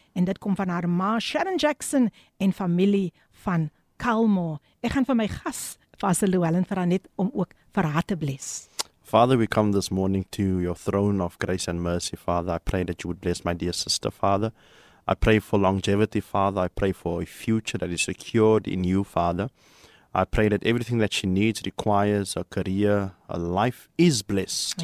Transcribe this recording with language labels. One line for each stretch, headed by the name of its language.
Afrikaans: En dit kom van haar ma Sharon Jackson en familie van Kalmo. Ek gaan vir my gas, Pastor Llewellyn, vir haar net om ook vir haar te bless.
English: Father, we come this morning to your throne of grace and mercy, Father. I pray that you would bless my dear sister, Father. I pray for longevity, Father. I pray for a future that is secured in you, Father. I pray that everything that she needs, requires, a career, a life, is blessed.